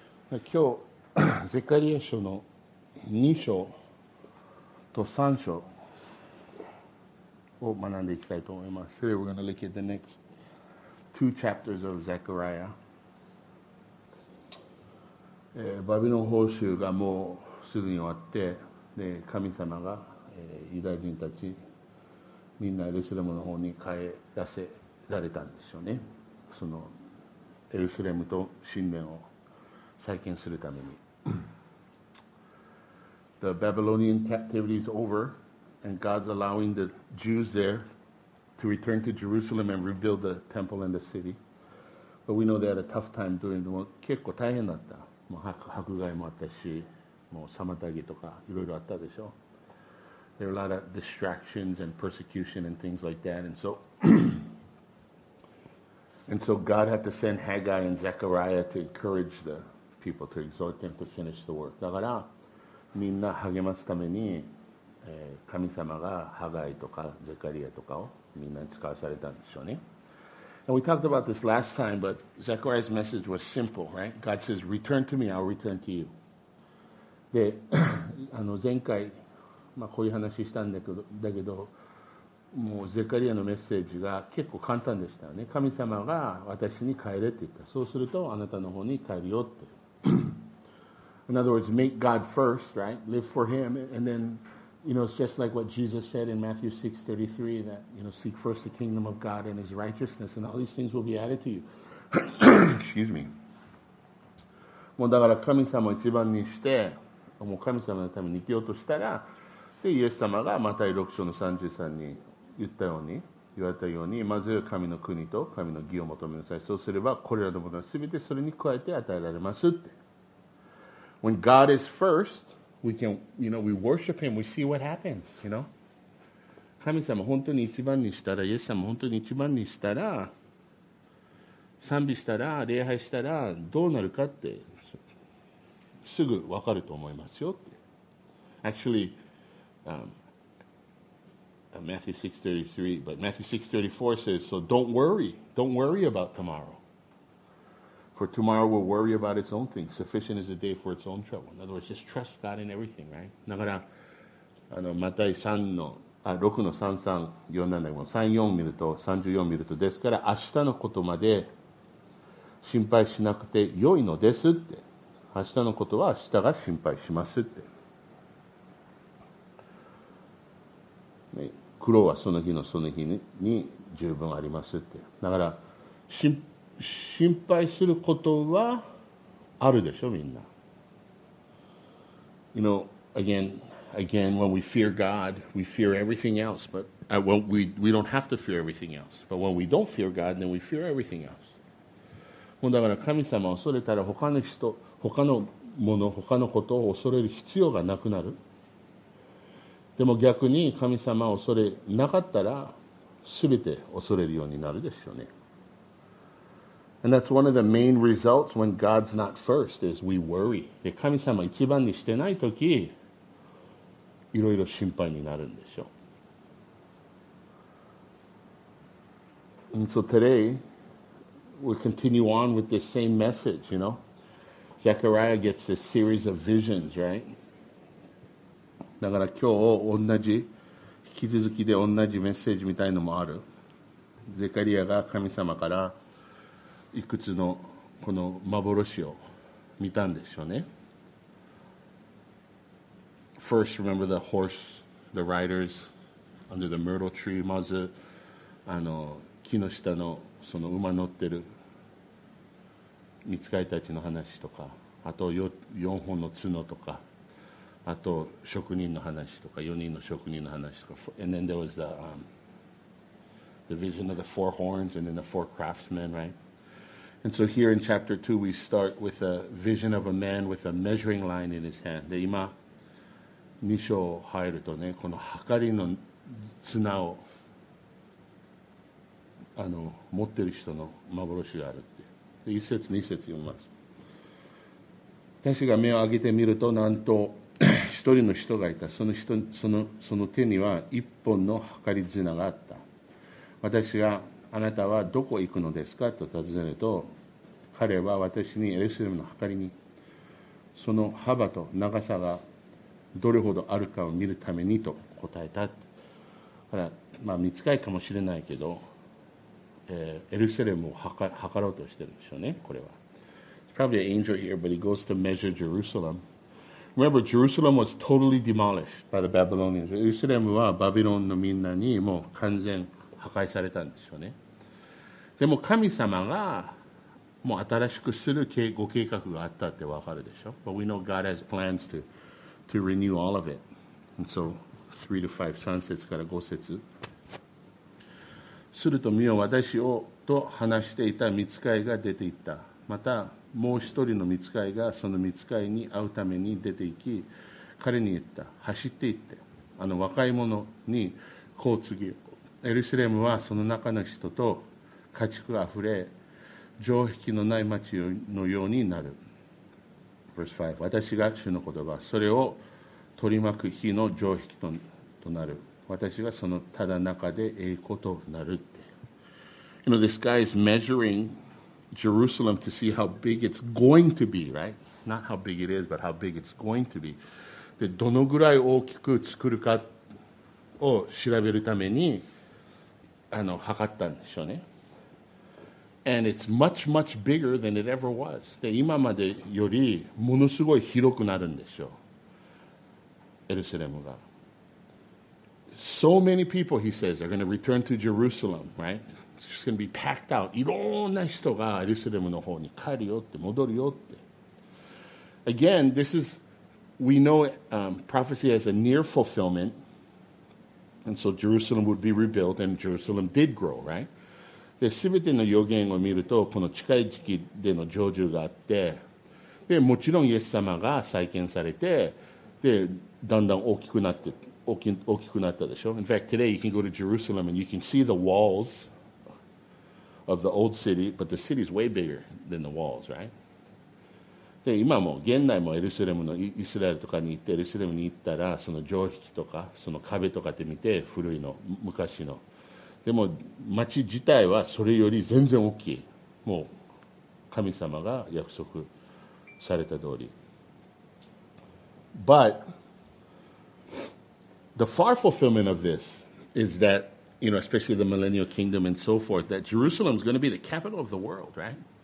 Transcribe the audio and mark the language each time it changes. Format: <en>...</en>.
<ja>今日ゼカリヤ書の2章と3章を学んでいきたいと思います。</ja> <en>Today we're going to look at the next two chapters of Zechariah。</en> <ja>バビロン捕囚がもうすぐに終わって、で神様が、ユダヤ人たちみんなエルサレムの方に帰らせられたんですよね。そのエルサレムと神殿を再建するために。</ja> <en>The Babylonian captivity is over, and God's allowing the Jews there to return to Jerusalem and rebuild the temple and the city. But we know they had a tough time doing it.</en> <ja>結構大変だった。もう迫害もあったし、もう妨げとかいろいろあったでしょ。</ja> <en>There are a lot of distractions and persecution and things like that. And so, and so God had to send Haggai and Zechariah to encourage the people, to exhort them to finish the work.</en> <ja>だからみんな励ますために、神様がハガイとかゼカリアとかをみんなに使わされたんでしょうね。</ja> <en>And we talked about this last time, but Zechariah's message was simple, right? God says, return to me, I'll return to you.</en> <ja>で、あの前回、まあ、こういう話したんだけど、もうゼカリアのメッセージが結構簡単でしたよね。神様が私に帰れって言った。そうするとあなたの方に帰るよって。</ja> <en>In other words, make God first, right? Live for Him. And then, you know, it's just like what Jesus said in Matthew 6:33, that, you know, seek first the kingdom of God and His righteousness, and all these things will be added to you. Excuse me.</en> <ja>もうだから神様を一番にして、もう神様のために生きようとしたら、で、イエス様がマタイ6章の33に言ったように、言われたように、まず神の国と神の義を求めなさい。そうすれば、これらのものは全てそれに加えて与えられますって。</ja> <en>When God is first, we can, you know, we worship Him, we see what happens, you know?</en> <ja>神様本当に一番にしたら、イエス様本当に一番にしたら、賛美したら、礼拝したら、どうなるかって、すぐ分かると思いますよって。</ja> <en>Actually, Matthew 6:33, but Matthew 6:34 says, so don't worry. Don't worry about tomorrow. For tomorrow will worry about its own thing. Sufficient is the day for its own trouble. In other words, just trust God in everything, right?</en> <ja>だから、あの、マタイ3の、あ、6の3、3、4なんだけど、3、4見ると、34見ると、ですから、明日のことまで心配しなくてよいのですって。明日のことは明日が心配しますって。ね、苦労はその日のその日 に十分ありますって。だから、心配することはあるでしょ、みんな。</ja> <en>You know, again, when we fear God, we fear everything else, but we don't have to fear everything else. But when we don't fear God, then we fear everything else.</en> <ja>だから神様を恐れたら他の人、他のもの、他のことを恐れる必要がなくなる。でも逆に神様を恐れなかったら全て恐れるようになるでしょうね。</ja> <en>And that's one of the main results when God's not first is we worry.</en> <ja>神様一番にしてないとき、いろいろ心配になるんでしょう。</ja> <en>And so today, we continue on with this same message, you know. Zechariah gets this series of visions, right?</en> <ja>だから今日同じ、引き続きで同じメッセージみたいのもある。ゼカリアが神様からいくつのこの幻を見たんでしょうね。</ja> <en>First, remember the horse, the riders under the myrtle tree.</en> <ja>まず、あの、木の下のその馬乗ってる御使いたちの話とか、あと四本の角とか、あと職人の話とか、四人の職人の話とか。</ja> <en>And then there was the vision of the four horns and then the four craftsmen, right? And so here in chapter 2, we start with a vision of a man with a measuring line in his hand.</en> <ja>で、今、2章入るとね、この秤の綱を、あの、持ってる人の幻があるって。で、1節、2節読みます。私が目を上げてみると、なんと、一人の人がいた。その人、その手には一本の秤綱があった。私が、あなたはどこ行くのですかと尋ねると、彼は私にエルサレムの計りにその幅と長さがどれほどあるかを見るためにと答えた。だから、まあ、見つかいかもしれないけど、エルサレムを測ろうとしてるんでしょうね、これは。</ja> <en>It's probably an angel here, but he goes to measure Jerusalem. Remember, Jerusalem was totally demolished by the Babylonians.</en> <ja>エルサレムはバビロンのみんなにもう完全破壊されたんでしょうね。でも神様がもう新しくするご計画があったってわかるでしょ。</ja> <en>But we know God has plans to renew all of it. And so, 3 to 5,</en> <ja>3節から5節。すると見よ、私をと話していた御使いが出て行った。また、もう一人の御使いがその御使いに会うために出て行き、彼に言った。走って行って、あの若い者にこう告げ、エルサレムはその中の人と家畜があふれ、城壁のない町のようになる。</ja> <en>Verse 5。</en> <ja>私が主の言葉、それを取り巻く日の城壁となる。私がそのただ中で栄光となるって。</ja> <en>You know, this guy is measuring Jerusalem to see how big it's going to be, right? Not how big it is, but how big it's going to be.</en> <ja>で、どのぐらい大きく作るかを調べるために、測ったんでしょうね。</ja> <en>And it's much, much bigger than it ever was.</en> <ja>で、今までよりものすごい広くなるんでしょう。エルサレムが。</ja> <en>So many people, he says, are going to return to Jerusalem, right? It's just going to be packed out.</en> <ja>いろんな人がエルサレムの方に帰るよって、戻るよって。</ja> <en>Again, this is, we know prophecy as a near fulfillment. And so Jerusalem would be rebuilt and Jerusalem did grow, right?</en> <ja>で、全ての予言を見ると、この近い時期での成就があって、で、もちろんイエス様が再建されて、で、だんだん大きくなって、大きくなったでしょ。</ja> <en>In fact, today you can go to Jerusalem and you can see the walls of the old city, but the city is way bigger than the walls, right?</en> <ja>で、今も、現代もエルサレムのイスラエルとかに行って、エルサレムに行ったら、その城壁とか、その壁とかって見て、古いの、昔の。でも町自体はそれより全然大きい。もう神様が約束された通り。</ja> <en>But the far fulfillment of this is that, you know, especially the millennial kingdom and so forth, that Jerusalem is going to be the capital of the world, right?</en>